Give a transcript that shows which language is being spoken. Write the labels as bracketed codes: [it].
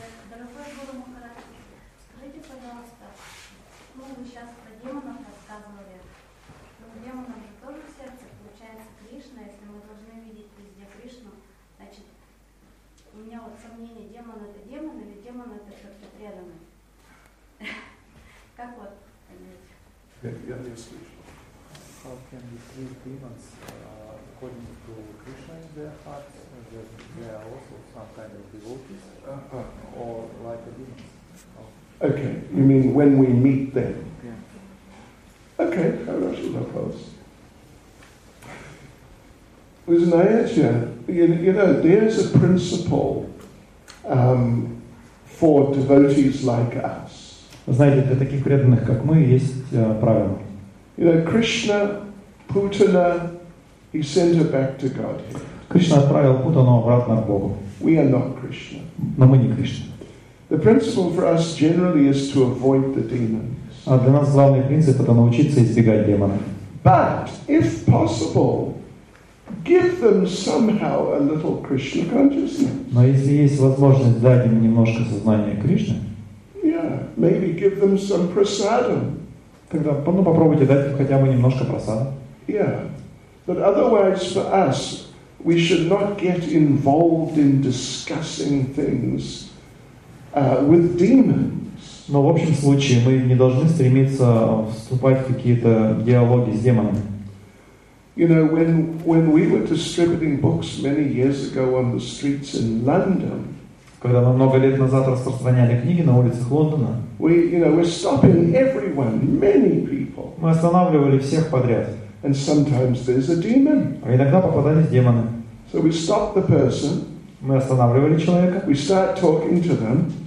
[ru] Дорогой Гуру Махарадж, скажите, пожалуйста, ну вы сейчас про демонов рассказывали, но у демонов же тоже в сердце получается Кришна, если мы должны видеть везде Кришну, значит, у меня вот сомнение, демон это демон или демон это все-таки преданный? Как вот понять? Я не слышал. [en] How can we treat demons according to Krishna in their hearts? That they are also some kind of devotees or like a demon? Oh. Okay, you mean when we meet them? Yeah. [ru] Okay, хорошо вопрос. [en] Узнаете, you know, there's a principle for devotees like us. [ru] Знаете, для таких преданных, как мы, есть правило. [en] You know, Krishna, Putana, he sent her back to Godhead. [ru] Кришна отправил Путану обратно к Богу. [en] We are not Krishna. [ru] Но мы не Кришна. [en] The principle for us generally is to avoid the demons. [ru] А для нас главный принцип это научиться избегать демонов. [en] But if possible, give them somehow a little Krishna consciousness. [ru] Но если есть возможность дать им немножко сознания Кришны. [en] Yeah, maybe give them some prasadam. [ru] Тогда, ну, попробуйте дать хотя бы немножко просада. [en] Yeah. But otherwise for us, we should not get involved in discussing things with demons. [ru] Но в общем случае мы не должны стремиться вступать в какие-то диалоги с демонами. [en] You know, when we were distributing books many years ago on the streets in London, [ru] когда мы много лет назад распространяли книги на улицах Лондона, мы останавливали всех подряд. [en] And sometimes there's a demon. [ru] А иногда попадались демоны. [en] So we stop the person. [ru] Мы останавливали человека. [en] We start talking to them.